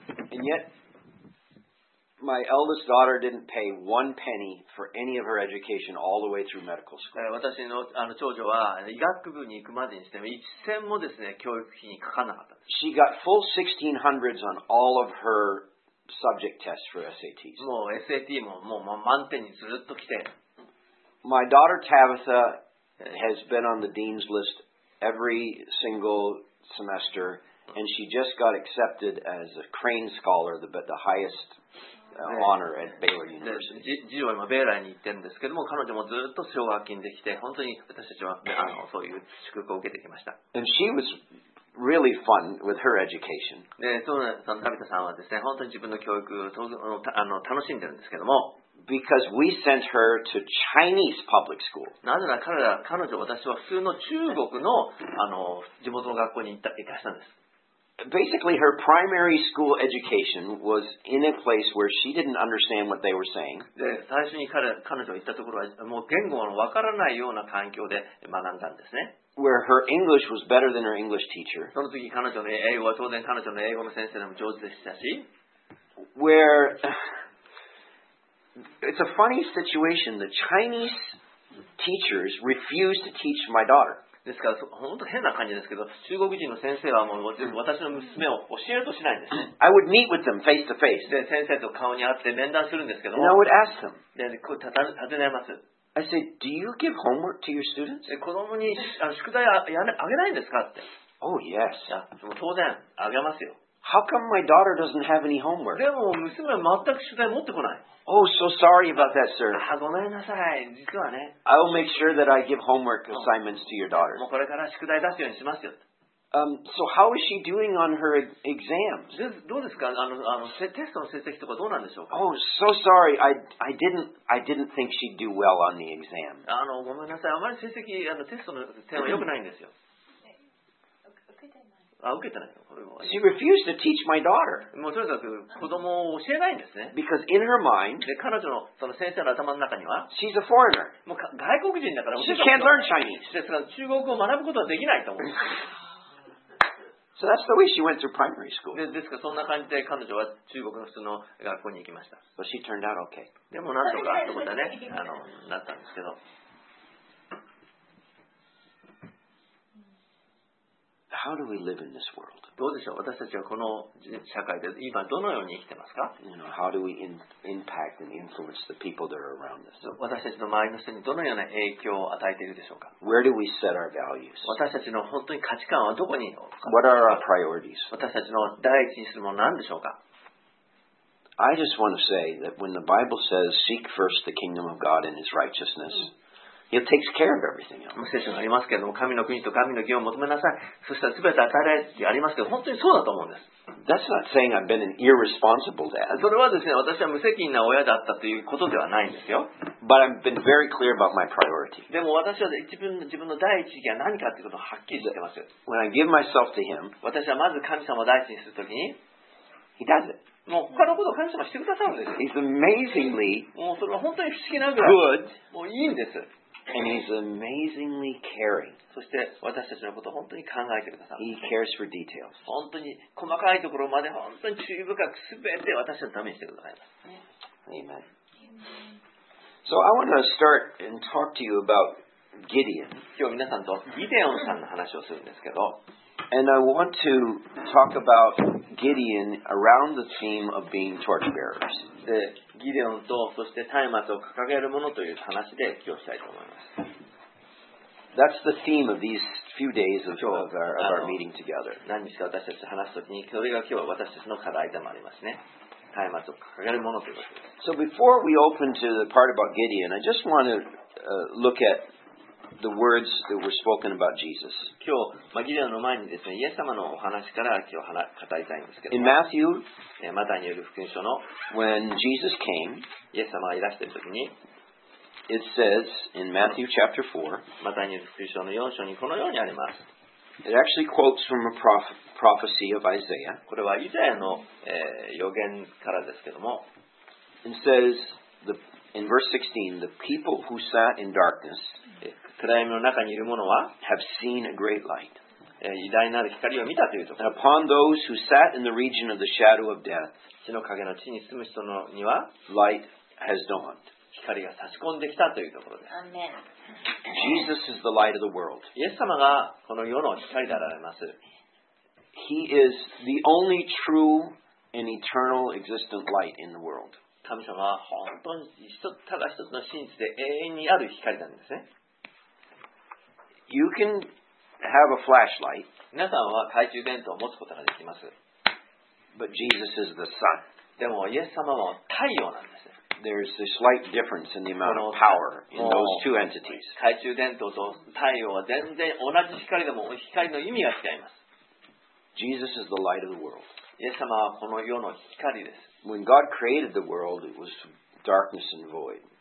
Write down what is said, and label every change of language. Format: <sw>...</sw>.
<en>And yet, my eldest daughter didn't pay one penny for any of her education all the way through medical school.</en> <ja>私の長女は医学部に行くまでにしても一銭もですね教育費にかかんなかった。</ja> <en>She got full 1600s on all of her subject tests for SATs.</en> <ja>もう SAT ももう満点にずっと来て。</ja> <en>My daughter Tabitha has been on the dean's list every single semester, and she just got accepted as a Crane Scholar, the highest honor at Baylor University.</en> <ja>次女は今ベーラーに行ってるんですけども、彼女もずっと奨学金できて、本当に私たちは、ね、そういう祝福を受けてきました。</ja> <en>And she was really fun with her education.</en> <ja>で、そのナビタさんはですね、本当に自分の教育を楽しんでるんですけども。</ja> <en>Because we sent her to Chinese public school.</en> <ja>なぜなら彼女、私は普通の中国の地元の学校に行かしたんです。</ja> <en>Basically, her primary school education was in a place where she didn't understand what they were saying.</en> <ja>で、最初に彼女が行ったところは、もう言語のわからないような環境で学んだんですね。</ja> <en>Where her English was better than her English teacher.</en> <ja>その時彼女の英語は当然彼女の英語の先生でも上手でしたし。</ja> <en>Where It's a funny situation. The Chinese teachers refused to teach my daughter.</en> <ja>ですから、本当変な感じですけど、中国人の先生はもう私の娘を教えるとしないんです。</ja> <en>I would meet with them face to face.</en> <ja>で、先生と顔に会って面談するんですけども。</ja> <en>And I would ask them.</en> <ja>で、こう尋ねます。</ja> <en>I said, "Do you give homework to your students?"</en> <ja>子供に宿題あげないんですかって。</ja> <en>Oh yes.</en> <ja>当然あげますよ。</ja> <en>How come my daughter doesn't have any homework?</en> <ja>でも娘は全く宿題持ってこない。</ja> <en>Oh, so sorry about that, sir.</en> <ja>あ、ごめんなさい。実はね。</ja> <en>I will make sure that I give homework assignments to your daughter.</en> <ja>もうこれから宿題出すようにしますよ。</ja> <en>So how is she doing on her exams?</en> <ja>どうですか？テストの成績とかどうなんでしょうか？</ja> <en>Oh, so sorry. I didn't think she'd do well on the exam.</en> <ja>ごめんなさい。あまり成績、テストの点は良くないんですよ。受けてないの？</ja> <en>She refused to teach my daughter.</en> <ja>もうとにかく子供を教えないんですね。</ja> <en>Because in her mind,</en> <ja>で彼女のその先生の頭の中には、</ja> <en>she's a foreigner.</en> <ja>もう外国人だから、</ja> <en>she can't learn Chinese.</en> <ja>ですから中国語を学ぶことはできないと思う。</ja> <en>So that's the way she went through primary school.</en> <ja>ですからそんな感じで彼女は中国の普通の学校に行きました。</ja> <en>But she turned out okay.</en> <ja>でもなんとかってことはね、なったんですけど。</ja> <en>How do we live in this world?</en> <ja>どうでしょう、私たちはこの社会で今どのように生きてますか？</ja> <en>You know, how do we impact and influence the people that are around us?</en> <ja>私たちの周りの人にどのような影響を与えているでしょうか？</ja> <en>Where do we set our values?</en> <ja>私たちの本当に価値観はどこにいるのか？</ja> <en>What are our priorities?</en> <ja>私たちの第一にするものは何でしょうか？</ja> <en>I just want to say that when the Bible says, seek first the kingdom of God and his righteousness, He takes care of everything else.</en> <ja>聖書がありますけれども、神の国と神の義を求めなさい。そしたらすべて与えられるってありますけど、本当にそうだと思うんです。</ja> <en>That's not saying I've been an irresponsible dad.</en> <ja>それはですね、私は無責任な親だったということではないんですよ。</ja> <en>But I've been very clear about my priority.</en> <ja>でも私は自分の第一義は何かということをはっきりしてます。</ja> <en>When I give myself to him,</en> <ja>私はまず神様を第一にするときに、</ja> <en>He does it.</en> <ja>もう他のことを神様してくださるんです。</ja> <en>He's amazingly</en> <ja>もうそれは本当に不思議なぐらい</ja> <en>good.</en> <ja>もういいんです。</ja> <en>And he's amazingly caring.</en> <ja>そして私たちのことを本当に考えてくださる。</ja> <en>He cares for details.</en> <ja>本当に細かいところまで本当に注意深くすべて私のためにしてくださいます。</ja> <en>Amen. So I want to start and talk to you about Gideon.</en> <ja>今日皆さんとギデオンさんの話をするんですけど。</ja> <en>And I want to talk about Gideon around the theme of being torchbearers.</en> <ja>で、ギデオンとそして松明を掲げるものという話で今日したいと思います。</ja> <en>That's the theme of these few days of our meeting together.</en> <ja>何日か私たち話すときに、それが今日は私たちの課題でもありますね。松明を掲げるものということです。</ja> <en>So before we open to the part about Gideon, I just want to look at the words that were spoken about Jesus.</en> <ja>今日、ギデオンの前にですね、イエス様のお話から今日語りたいんですけど。</ja> <en>In Matthew,</en> <ja>マタイによる福音書の、</ja> <en>when Jesus came,</en> <ja>イエス様がいらしているときに、</ja> <en>it says in Matthew chapter 4,</en> <ja>マタイによる福音書の4章にこのようにあります。</ja> <en>It actually quotes from a prophecy of Isaiah.</en> <ja>これはイザヤの、予言からですけども。</ja> <en>It says in verse 16, the people who sat in darkness,</en> <ja>暗闇の中にいる者は、</ja> <en>have seen a great light.</en> <ja>偉大なる光を見たというところ。</ja> <en>And upon those who sat in the region of the shadow of death,</en> <ja>死の影の地に住む人のには、</ja> <en>light has dawned.</en> <ja>光が差し込んできたというところです。</ja> <en>Amen. Jesus is the light of the world.</en> <ja>イエス様がこの世の光であられます。</ja> <en>He is the only true and eternal existent light in the world.</en> <ja>神様は本当に ただ一つの真実で永遠にある光なんですね。</ja> <en>You can have a flashlight.</en> <ja>皆さんは懐中電灯を持つことができます。</ja> <en>But Jesus is the sun.</en> <ja>でもイエス様は太陽なんです。</ja> <en>There's a slight difference in the amount of power in those two entities.</en> <ja>懐中電灯と太陽は全然同じ光でも光の意味が違います。</ja> <en>Jesus is the light of the world.</en> <ja>イエス様はこの世の光です。</ja> <en>When God created the world, it was darkness and void.</en>